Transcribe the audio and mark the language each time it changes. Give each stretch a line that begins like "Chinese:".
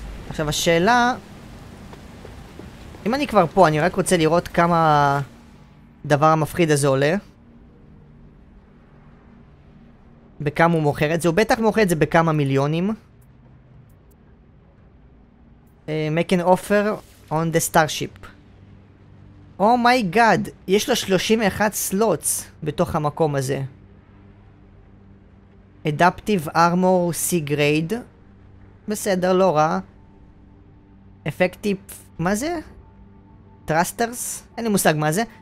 Hebrew: עכשיו השאלה... אם אני כבר פה, אני רק רוצה לראות כמה הדבר המפחיד הזה עולה. בכמה הוא מוכר את זה. הוא בטח מוכר את זה בכמה מיליונים.
English: Make an offer on the starship. Oh my god,
Hebrew: יש לו 31 סלוטס בתוך המקום הזה.
English: Adaptive armor C-grade.
Hebrew: בסדר, לא רע. Effective, מה זה? טרסטרס? אין לי מושג מה זה.